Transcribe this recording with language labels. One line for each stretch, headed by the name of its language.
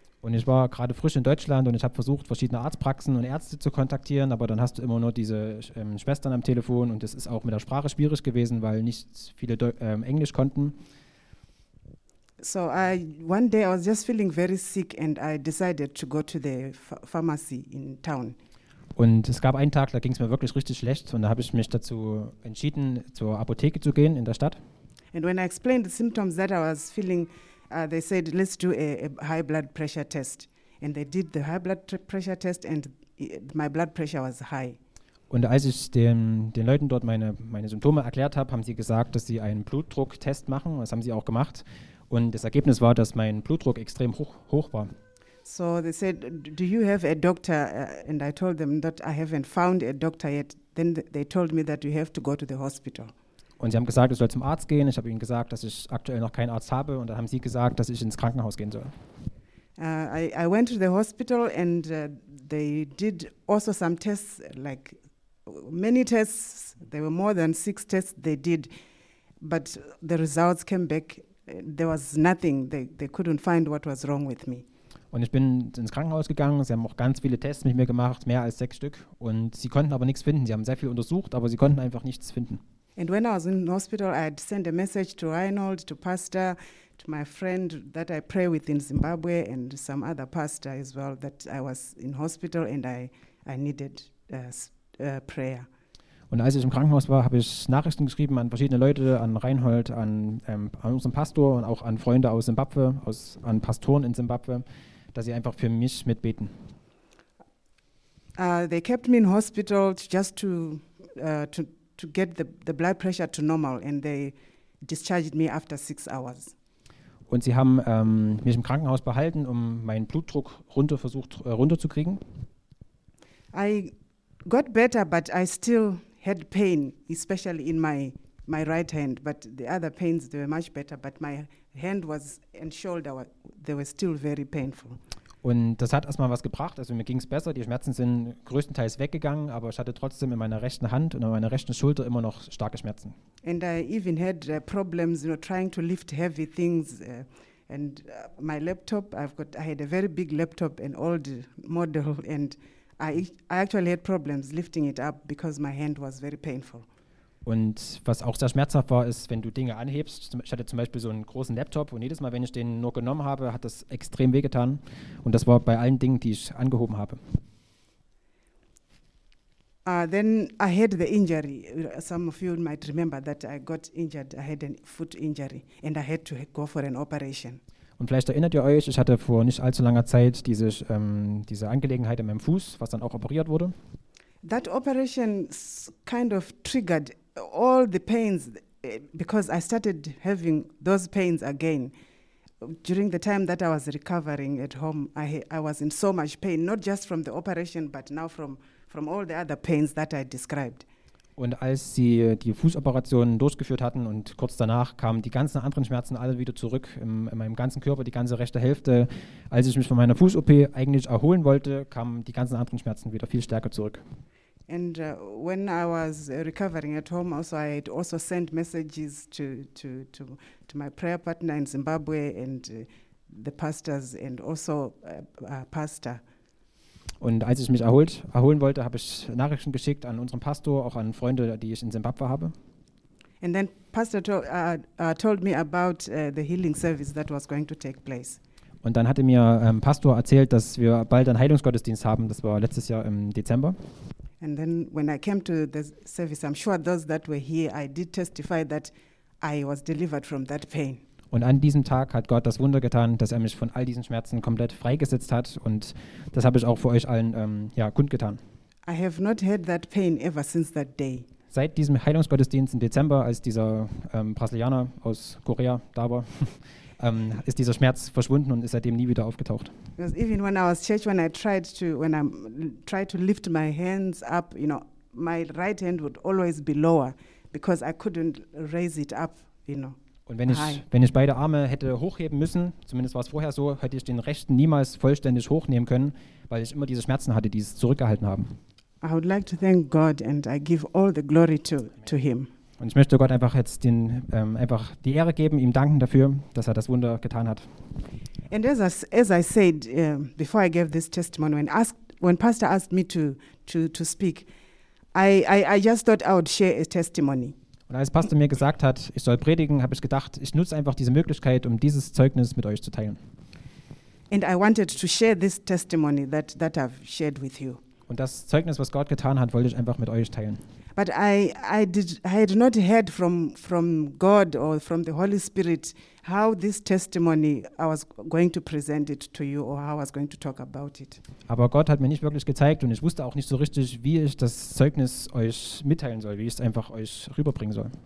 German: Und ich war gerade frisch in Deutschland und ich habe versucht, verschiedene Arztpraxen und Ärzte zu kontaktieren, aber dann hast du immer nur diese Schwestern am Telefon und es ist auch mit der Sprache schwierig gewesen, weil nicht viele Englisch konnten.
English: So one day I was just feeling very sick and I decided to go to the pharmacy in town.
German: Und es gab einen Tag, da ging es mir wirklich richtig schlecht und da habe ich mich dazu entschieden, zur Apotheke zu gehen in der Stadt.
English: And when I explained the symptoms that I was feeling, they said, let's do a high blood pressure test. And they did the high blood pressure test and my blood pressure was high.
German: Und als ich den Leuten dort meine Symptome erklärt habe, haben sie gesagt, dass sie einen Blutdrucktest machen. Das haben sie auch gemacht. Und das Ergebnis war, dass mein Blutdruck extrem hoch war.
English: So they said, do you have a doctor? And I told them that I haven't found a doctor yet. Then they told me that you have to go to the hospital.
German: Und sie haben gesagt, ich soll zum Arzt gehen. Ich habe ihnen gesagt, dass ich aktuell noch keinen Arzt habe. Und dann haben sie gesagt, dass ich ins Krankenhaus gehen soll.
English: I went to the hospital and they did also some tests, like many tests. There were more than 6 tests they did. But the results came back. There was nothing. They couldn't find what was wrong with me.
German: Und ich bin ins Krankenhaus gegangen. Sie haben auch ganz viele Tests mit mir gemacht, mehr als 6 Stück. Und sie konnten aber nichts finden. Sie haben sehr viel untersucht, aber sie konnten einfach nichts finden.
English: And when I was in the hospital, I had sent a message to Reinhold, to Pastor, to my friend that I pray with in Zimbabwe, and some other pastor as well, that I was in hospital and I needed prayer.
German: Und als ich im Krankenhaus war, habe ich Nachrichten geschrieben an verschiedene Leute, an Reinhold, an unseren Pastor und auch an Freunde aus Zimbabwe, an Pastoren in Zimbabwe, dass sie einfach für mich mitbeten.
English: They kept me in hospital just to get the blood pressure to normal, and they discharged me after 6 hours.
German: Und sie haben mich im Krankenhaus behalten, um meinen Blutdruck runterzukriegen.
English: I got better, but I still had pain, especially in my right hand, but the other pains, they were much better, but my hand was and shoulder, they were still very painful.
German: Und das hat erstmal was gebracht, also mir ging es besser, die Schmerzen sind größtenteils weggegangen, aber ich hatte trotzdem in meiner rechten Hand und in meiner rechten Schulter immer noch starke Schmerzen.
English: And I even had problems, you know, trying to lift heavy things, and my laptop, I had a very big laptop, an old model, and I actually had problems lifting it up because my hand was very painful.
German: Und was auch sehr schmerzhaft war, ist, wenn du Dinge anhebst. Ich hatte zum Beispiel so einen großen Laptop und jedes Mal, wenn ich den nur genommen habe, hat das extrem wehgetan. Und das war bei allen Dingen, die ich angehoben habe.
English: Then I had the injury. Some of you might remember that I got injured. I had a foot injury and I had to go for an operation.
German: Und vielleicht erinnert ihr euch, ich hatte vor nicht allzu langer Zeit diese Angelegenheit in meinem Fuß, was dann auch operiert wurde.
English: That operation kind of triggered all the pains, because I started having those pains again. During the time that I was recovering at home, I was in so much pain, not just from the operation, but now from all the other pains that I described.
German: Und als sie die Fußoperation durchgeführt hatten und kurz danach kamen die ganzen anderen Schmerzen alle wieder zurück in meinem ganzen Körper, die ganze rechte Hälfte. Als ich mich von meiner Fuß-OP eigentlich erholen wollte, kamen die ganzen anderen Schmerzen wieder viel stärker zurück.
English: And when I was recovering at home, also I had also sent messages to my prayer partner in Zimbabwe and the pastors and also a pastor.
German: Und als ich mich erholen wollte, habe ich Nachrichten geschickt an unseren Pastor, auch an Freunde, die ich in Zimbabwe habe.
English: And then Pastor told me about the healing service that was going to take place.
German: Und dann hatte mir Pastor erzählt, dass wir bald einen Heilungsgottesdienst haben. Das war letztes Jahr im Dezember.
English: And then when I came to the service, I'm sure those that were here, I did testify that I was delivered from that pain.
German: Und an diesem Tag hat Gott das Wunder getan, dass er mich von all diesen Schmerzen komplett freigesetzt hat. Und das habe ich auch für euch allen kundgetan.
English: I have not had that pain ever since that day.
German: Seit diesem Heilungsgottesdienst im Dezember, als dieser Brasilianer aus Korea da war, ist dieser Schmerz verschwunden und ist seitdem nie wieder aufgetaucht.
English: Because even when I was church, when I tried to lift my hands up, you know, my right hand would always be lower, because I couldn't raise it up, you know.
German: Und wenn ich beide Arme hätte hochheben müssen, zumindest war es vorher so, hätte ich den rechten niemals vollständig hochnehmen können, weil ich immer diese Schmerzen hatte, die es zurückgehalten haben.
English: I would like to thank God and I give all the glory to him.
German: Und ich möchte Gott einfach jetzt einfach die Ehre geben, ihm danken dafür, dass er das Wunder getan hat.
English: And as I said before I gave this testimony, when Pastor asked me to speak, I just thought I would share a testimony.
German: Und als Pastor mir gesagt hat, ich soll predigen, habe ich gedacht, ich nutze einfach diese Möglichkeit, um dieses Zeugnis mit euch zu teilen.
English: And I wanted to share this testimony that I've shared with you.
German: Und das Zeugnis, was Gott getan hat, wollte ich einfach mit euch teilen.
English: But I had not heard from God or from the Holy Spirit how this testimony I was going to present it to you or how I was going to talk about it.
German: Aber Gott hat mir nicht wirklich gezeigt und ich wusste auch nicht so richtig, wie ich das Zeugnis euch mitteilen soll, wie ich es einfach euch rüberbringen soll.